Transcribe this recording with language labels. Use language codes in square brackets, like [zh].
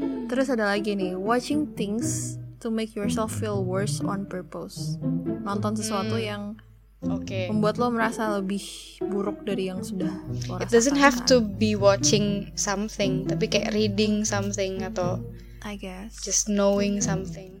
[id] Terus ada lagi nih, [en] watching things to make yourself feel worse on purpose. [id] Nonton sesuatu yang membuat lo merasa lebih buruk dari yang sudah lo rasakan. [en] It doesn't have to be watching something, [id] tapi kayak [en] reading something [id] atau [en] I guess. Just knowing something.